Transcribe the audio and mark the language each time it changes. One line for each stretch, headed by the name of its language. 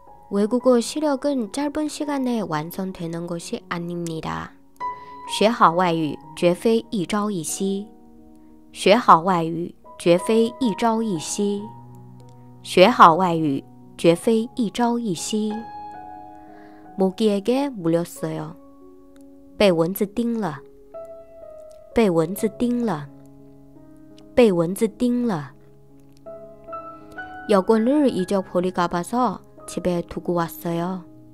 Korean: 외국어 실력은 짧은 시간에 완성되는 것이 아닙니다.
Chinese: 学好外语绝非一朝一夕。学好外语绝非一朝一夕。学好外语绝非一朝一夕。
Korean: 모기에게 물렸어요.
Chinese: 被蚊子叮了。被蚊子叮了。被蚊子叮了。
Korean: 여권을 잊어버릴까 봐서 집에 두고 왔어요.